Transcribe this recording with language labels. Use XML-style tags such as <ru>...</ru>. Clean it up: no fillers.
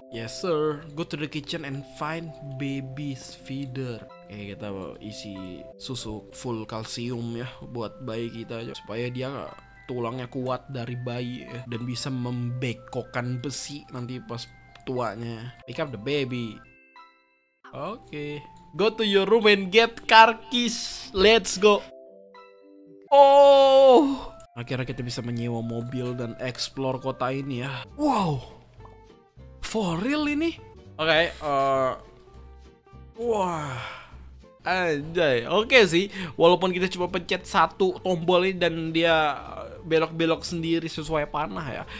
<en>Yes sir, go to the kitchen and find baby's feeder.</en> <id>Oke, kita isi susu full kalsium ya buat bayi kita aja. Supaya dia tulangnya kuat dari bayi ya. Dan bisa membekokkan besi nanti pas tuanya.</id> <en>Pick up the baby. Oke, go to your room and get car keys. Let's go.</en> <id>Oh, akhirnya kita bisa menyewa mobil dan explore kota ini ya. Wow, for real ini? Oke, wah, anjay. Oke sih, walaupun kita cuma pencet satu tombol ini dan dia belok-belok sendiri sesuai panah ya.</id>